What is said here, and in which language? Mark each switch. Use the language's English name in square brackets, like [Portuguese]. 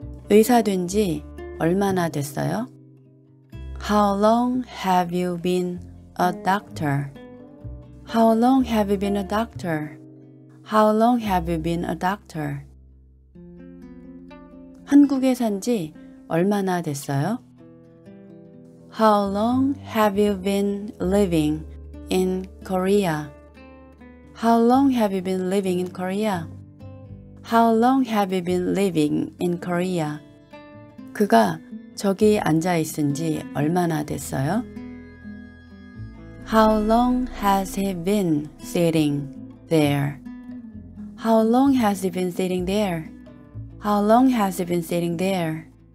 [Korean] 의사 된 지 얼마나 됐어요? [English] How long have you been a doctor? How long have you been a doctor? How long have you been a doctor? [Korean] 한국에 산 지 얼마나 됐어요? [English] How long have you been living in Korea? How long have you been living in Korea? How long have you been living in Korea? [Korean] 그가 저기 앉아 있은 지 얼마나 됐어요? [English] How long has he been sitting there? How long has he been sitting there? How long has he been sitting there?